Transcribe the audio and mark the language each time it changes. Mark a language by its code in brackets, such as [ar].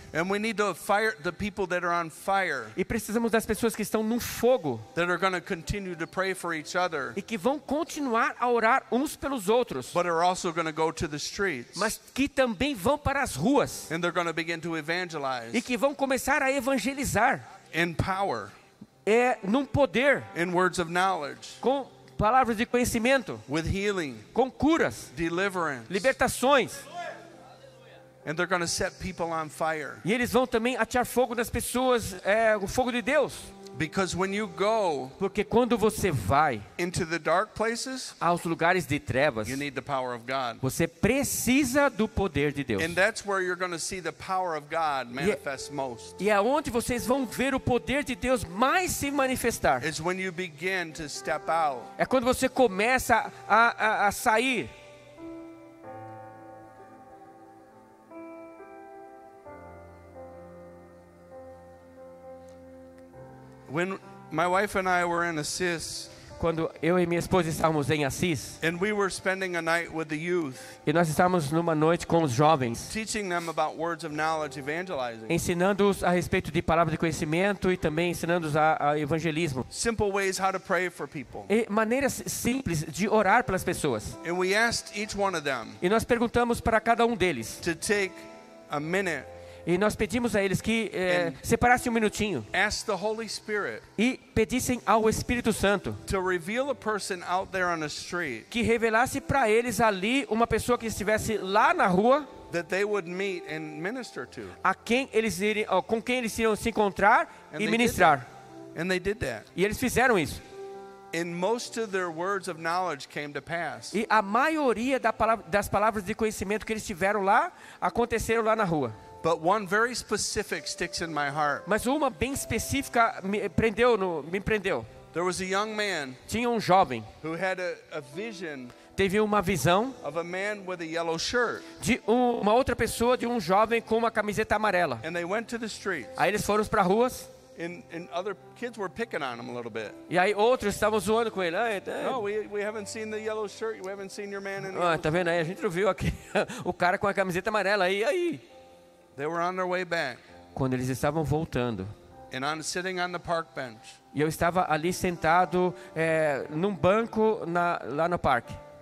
[en] And we need the people that are on fire. [pt] E precisamos das pessoas que estão no fogo. [en] That are going to continue to pray for each other. [pt] E que vão continuar a orar uns pelos outros. [en] But are also going to go to the streets. [pt] Mas que também vão para as ruas. [en] And they're going to begin to evangelize. [pt] E que vão começar a evangelizar. [en] In power. [pt] É num poder. [en] In words of knowledge. [pt] Com palavras de conhecimento. [en] With healing. [pt] Com curas. [en] Deliverance. [pt] Libertações. [en] And they're going to set people on fire. [pt] E eles vão também atear fogo nas pessoas, o fogo de Deus. [en] Because when you go, [pt] porque quando você vai [en] into the dark places, [pt] aos lugares de trevas, [en] you need the power of God. [pt] Você precisa do poder de Deus. [en] And that's where you're going to see the power of God manifest most. [pt] E é onde vocês vão ver o poder de Deus mais se manifestar. [en] It's when you begin to step out. [pt] É quando você começa a sair. [en] When my wife and I were in Assis, [pt] quando eu e minha esposa estávamos em Assis, [en] and we were spending a night with the youth, [pt] e nós estávamos numa noite com os jovens, [en] teaching them about words of knowledge, evangelizing, [pt] ensinando-os a respeito de palavras de conhecimento e também ensinando-os a evangelismo. [en] Simple ways how to pray for people. [pt] E maneiras simples de orar pelas pessoas. [en] And we asked each one of them, [pt] e nós perguntamos para cada um deles, [en] to take a minute, [pt] e nós pedimos a eles que separassem um minutinho [en] ask the Holy Spirit [pt] e pedissem ao Espírito Santo [en] to reveal a person out there on the street [pt] que revelasse para eles ali uma pessoa que estivesse lá na rua [en] that they would meet and minister to. [pt] A quem eles iriam, com quem eles iriam se encontrar [en] and [pt] e ministrar. [en] They did that. [pt] E eles fizeram isso. [en] And most of their words of knowledge came to pass. [pt] E a maioria das palavras de conhecimento que eles tiveram lá aconteceram lá na rua. [en] But one very specific sticks in my heart. [pt] Mas uma bem específica me prendeu. [en] There was a young man. [pt] Tinha um jovem. [en] Who had a vision. [pt] Teve uma visão. [en] Of a man with a yellow shirt. [pt] De uma outra pessoa, de um jovem com uma camiseta amarela. [en] And they went to the streets. [pt] Aí eles foram para ruas. [en] And other kids were picking on him a little bit. [pt] E aí outros estavam zoando com ele. [en] No, we haven't seen the yellow shirt. We haven't seen your man in the. [pt] Tá vendo aí? A gente não viu aqui o cara com a camiseta amarela. E aí? [en] They were on their way back. [pt] Quando eles estavam voltando. [en] And I'm sitting on the park bench. [pt] E eu estava ali sentado num banco lá no parque.